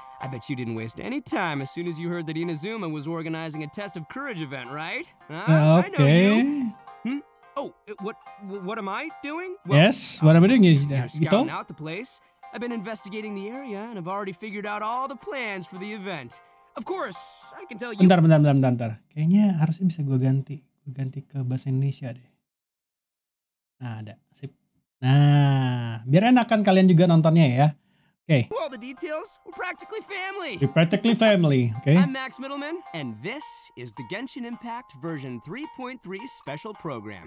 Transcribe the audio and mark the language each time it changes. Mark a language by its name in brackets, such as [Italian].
[English] I bet you didn't waste any time as soon as you heard that Inazuma was organizing a test of courage event, right? Okay. Oh, what am I doing? Well, yes, what am I doing? You're scouting out the place. I've been investigating the area and I've already figured out all the plans for the event. Of course, I can tell you. [Indonesian] Bentar. Kayaknya harusnya bisa gue ganti ke bahasa Indonesia deh. Nah, ada. Sip. Nah, biar enak kan kalian juga nontonnya ya. Oke. [English] Okay. All the details. We're practically family. We're practically family. Okay. I'm Max Middleman and this is the Genshin Impact version 3.3 special program.